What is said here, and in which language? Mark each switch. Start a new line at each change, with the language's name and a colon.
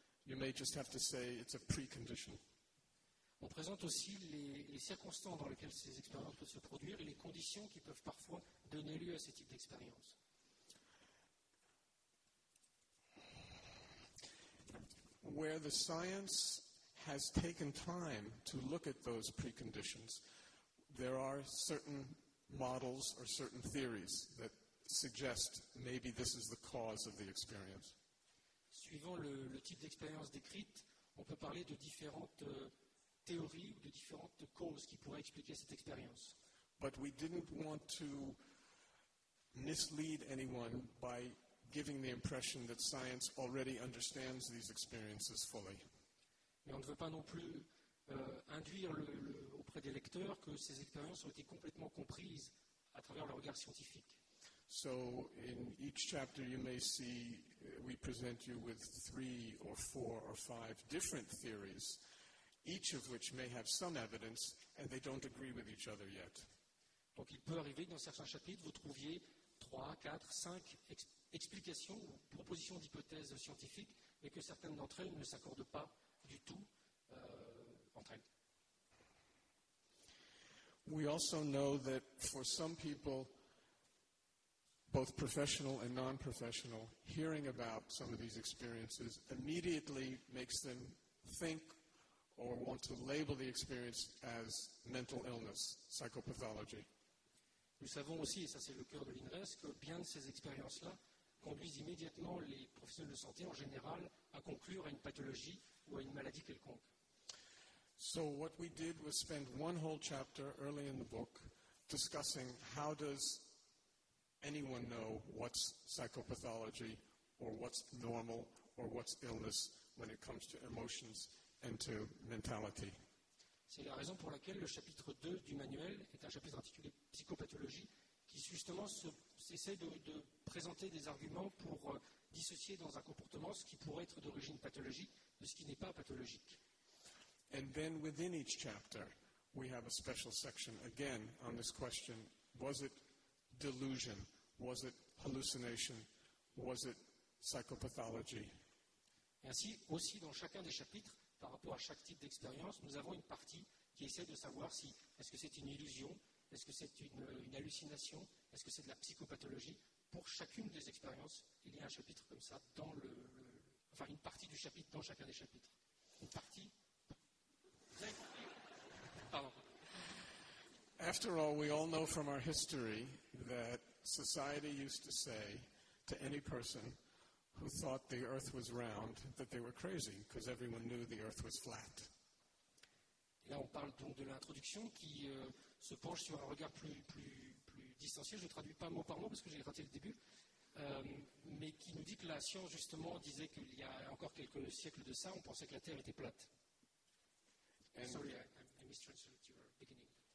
English: You may just have to say it's a precondition.
French: On présente aussi les circonstances dans lesquelles ces expériences peuvent se produire et les conditions qui peuvent parfois donner lieu à ces types d'expériences.
English: Where the science has taken time to look at those preconditions, there are certain models or certain theories that suggest maybe this is the cause of the experience.
French: Suivant le type d'expérience décrite, on peut parler de différentes théories ou de différentes causes qui pourraient expliquer cette expérience.
English: But we didn't want to mislead anyone by giving the impression that science already understands these experiences fully.
French: Mais on ne veut pas non plus induire auprès des lecteurs que ces expériences ont été complètement comprises à travers le regard scientifique.
English: So in each chapter you may see we present you with 3 or 4 or 5 different theories, each of which may have some evidence and they don't agree with each other yet.
French: Donc il peut arriver que dans certains chapitres vous trouviez 3, 4, 5 explications ou propositions d'hypothèses scientifiques mais que certaines d'entre elles ne s'accordent pas du tout entre elles.
English: We also know that for some people, both professional and non-professional, hearing about some of these experiences immediately makes them think or want to label the experience as mental illness, psychopathology.
French: Nous savons aussi, et ça c'est le cœur de l'INRES, que bien de ces expériences-là conduisent immédiatement les professionnels de santé en général à conclure à une pathologie ou à une maladie quelconque.
English: So what we did was spend one whole chapter early in the book discussing how does anyone know what's psychopathology or what's normal or what's illness when it comes to emotions and to mentality.
French: C'est la raison pour laquelle le chapitre 2 du manuel est un chapitre intitulé psychopathologie qui justement essaie de présenter des arguments pour dissocier dans un comportement ce qui pourrait être d'origine pathologique de ce qui n'est pas pathologique.
English: And then within each chapter we have a special section again on this question, was it delusion, was it hallucination, was it psychopathology?
French: Et ainsi aussi dans chacun des chapitres par rapport à chaque type d'expérience, nous avons une partie qui essaie de savoir si est-ce que c'est une illusion, est-ce que c'est une hallucination, est-ce que c'est de la psychopathologie. Pour chacune des expériences, il y a un chapitre comme ça, dans enfin une partie du chapitre dans chacun des chapitres. Une partie. Vous avez compris ? Pardon.
English: After all, we all know from our history that society used to say to any person who thought the earth was round, that they were crazy, because everyone knew the earth was flat.
French: Là, on parle donc de l'introduction qui se penche sur un regard plus distancié. Je ne traduis pas mot par mot parce que j'ai raté le début. Mais qui nous dit que la science, justement, disait qu'il y a encore quelques siècles de ça, on pensait que la Terre était plate.
English: And sorry, I mistranslated your beginning.